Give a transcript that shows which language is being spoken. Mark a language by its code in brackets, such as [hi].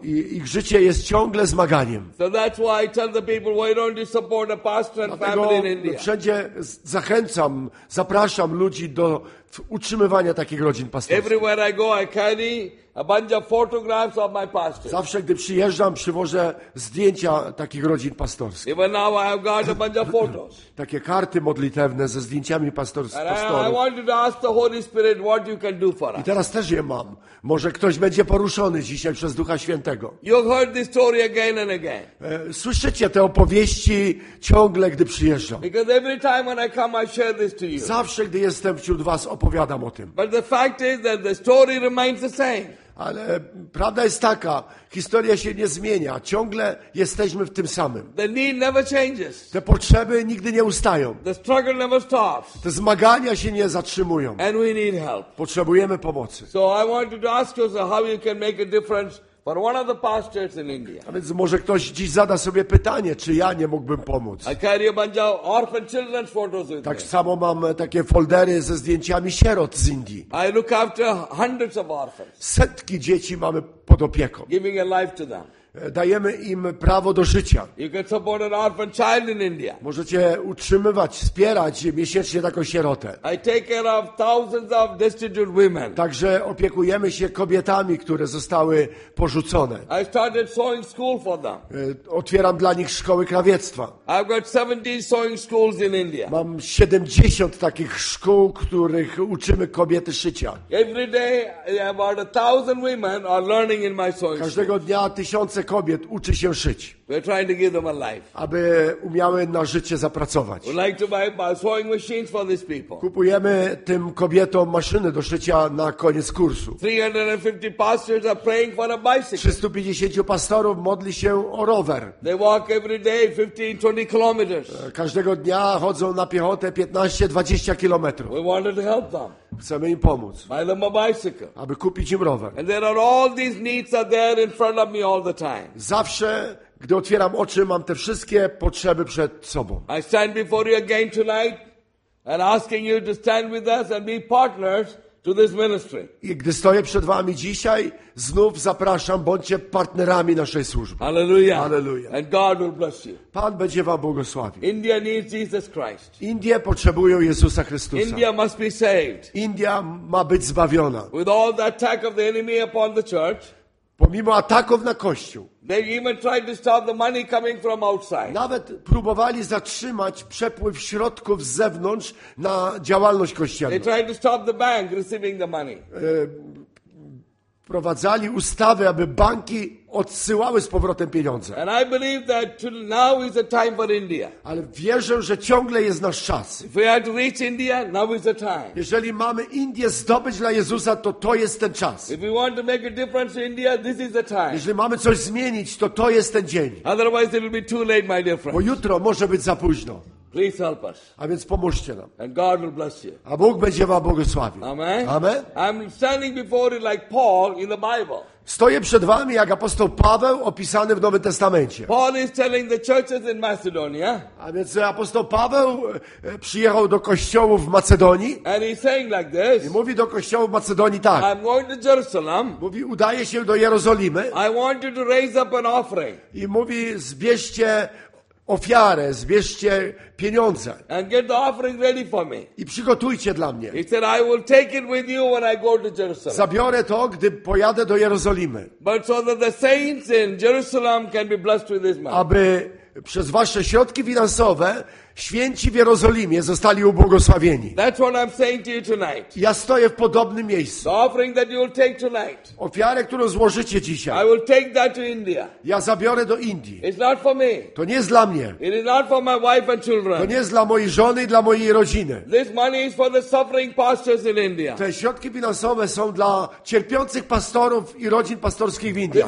[pl] I ich życie jest ciągle zmaganiem. [en] So that's why I tell the people, why don't you support a pastor and family in India? [pl] Wszędzie zachęcam, zapraszam ludzi do utrzymywania takich rodzin pastorskich. [en] Everywhere I go, I carry a bunch of photographs of my pastor. [pl] Zawsze, gdy przyjeżdżam, przywożę zdjęcia takich rodzin pastorskich. [en] Even now I have got a bunch of photos. [pl] Takie karty modlitewne ze zdjęciami pastorów. [en] I wanted to ask the Holy Spirit what you can do for us. [pl] I teraz też je mam. Może ktoś będzie poruszony dzisiaj przez Ducha Świętego. [en] You heard this story again and again. [pl] Słyszycie te opowieści ciągle, gdy przyjeżdżam. [en] Because every time when I come, I share this to you. [pl] Zawsze, gdy jestem wśród was, opowiadam o tym. [en] But the fact is that the story remains the same. [pl] Ale prawda jest taka, historia się nie zmienia, ciągle jesteśmy w tym samym. [en] The need never changes. [pl] Te potrzeby nigdy nie ustają. [en] The struggle never stops. [pl] Te zmagania się nie zatrzymują. [en] And we need help. [pl] Potrzebujemy pomocy. [en] So I wanted to ask you, sir, how you can make a difference But one of the pastors in India. [pl] A więc może ktoś dziś zada sobie pytanie, czy ja nie mógłbym pomóc. [en] I carry a bunch of orphan children's photos with me. [pl] Tak samo mam takie foldery ze zdjęciami sierot z Indii. [en] I look after hundreds of orphans. [pl] Setki dzieci mamy pod opieką. [en] Giving a life to them. [pl] Dajemy im prawo do życia. [en] You can support an orphan child in India. [pl] Możecie utrzymywać, wspierać miesięcznie taką sierotę. [en] I take care of thousands of destitute women. [pl] Także opiekujemy się kobietami, które zostały porzucone. [en] I started sewing school for them. [pl] Otwieram dla nich szkoły krawiectwa. [en] I've got 17 sewing schools in India. [pl] Mam 70 takich szkół, których uczymy kobiety szycia. [en] Every day about 1,000 women are learning in my sewing. [pl] Każdego dnia 1,000 kobiet uczy się szyć, [en] we're trying to give them a life. [pl] Aby umiały na życie zapracować. [en] We'd like to buy sewing machines for these people. [pl] Kupujemy tym kobietom maszyny do szycia na koniec kursu. [en] 350 pastors are praying for a bicycle. [pl] 350 pastorów modli się o rower. [en] They walk every day 15-20 kilometers. [pl] Każdego dnia chodzą na piechotę 15-20 kilometrów. [en] We wanted to help them. [pl] Chcemy im pomóc. [en] Buy them a bicycle. [pl] Aby kupić im rower. [en] And there are all these needs are there in front of me all the time. [pl] Zawsze gdy otwieram oczy, mam te wszystkie potrzeby przed sobą. [en] I stand before you again tonight and asking you to stand with us and be partners to this ministry. [pl] I gdy stoję przed wami dzisiaj, znów zapraszam, bądźcie partnerami naszej służby. [en] Hallelujah. [pl] Hallelujah. [en] And God will bless you. [pl] Pan będzie wam błogosławił. [en] India needs Jesus Christ. [pl] Indie potrzebują Jezusa Chrystusa. [en] India must be saved. [pl] India ma być zbawiona. [en] With all the attack of the enemy upon the church. [pl] Pomimo ataków na Kościół, [en] they even tried to stop the money coming from outside. [pl] Nawet próbowali zatrzymać przepływ środków z zewnątrz na działalność kościelną. [en] They tried to stop the bank receiving the money. [pl] Wprowadzali ustawy, aby banki odsyłały z powrotem pieniądze. [en] And I believe that now is the time for India. [pl] Ale wierzę, że ciągle jest nasz czas. [en] If we are to reach India, now is the time. [pl] Jeżeli mamy Indię zdobyć dla Jezusa, to jest ten czas. [en] If we want to make a difference in India, this is the time. [pl] Jeżeli mamy coś zmienić, to jest ten dzień. [en] Otherwise it will be too late, my dear friends. [pl] Bo jutro może być za późno. [en] Please help us. [pl] A więc pomóżcie nam. [en] And God will bless you. [pl] A Bóg będzie wam błogosławił. [en] Amen. [pl] Amen. [en] I'm standing before you like Paul in the Bible. [pl] Stoję przed wami jak apostoł Paweł opisany w Nowym Testamencie. [en] Paul is telling the churches in Macedonia. [pl] A więc apostoł Paweł przyjechał do kościołów w Macedonii. [en] And he's saying like this. [pl] I mówi do kościołów w Macedonii tak. [en] I'm going to Jerusalem. [pl] Mówi, udaję się do Jerozolimy. [en] I want you to raise up an offering. [pl] I mówi, zbierzcie ofiarę, zbierzcie pieniądze. [en] And get the offering ready for me. [pl] I przygotujcie dla mnie. [en] He said, I will take it with you when I go to Jerusalem. [pl] Zabiorę to, gdy pojadę do Jerozolimy. [en] But so that the saints in Jerusalem can be blessed with this money. [pl] Aby przez wasze środki finansowe święci w Jerozolimie zostali ubłogosławieni. [en] That's what I'm saying to you tonight. [pl] Ja stoję w podobnym miejscu. [en] The offering that you will take tonight. [pl] Ofiarę, którą złożycie dzisiaj. [en] I will take that to India. [pl] Ja zabiorę do Indii. [en] It's not for me. [pl] To nie jest dla mnie. [en] It is not for my wife and children. [pl] To nie jest dla mojej żony i dla mojej rodziny. [en] This money is for the suffering pastors in India. [pl] Te środki finansowe są dla cierpiących pastorów i rodzin pastorskich w Indiach.